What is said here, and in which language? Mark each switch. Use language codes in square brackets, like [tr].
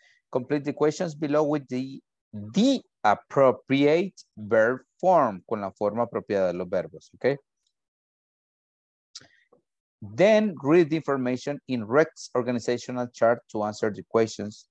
[en] Complete the questions below with the appropriate verb form. [es] Con la forma apropiada de los verbos, okay. [en] Then read the information in Rex's organizational chart to answer the questions.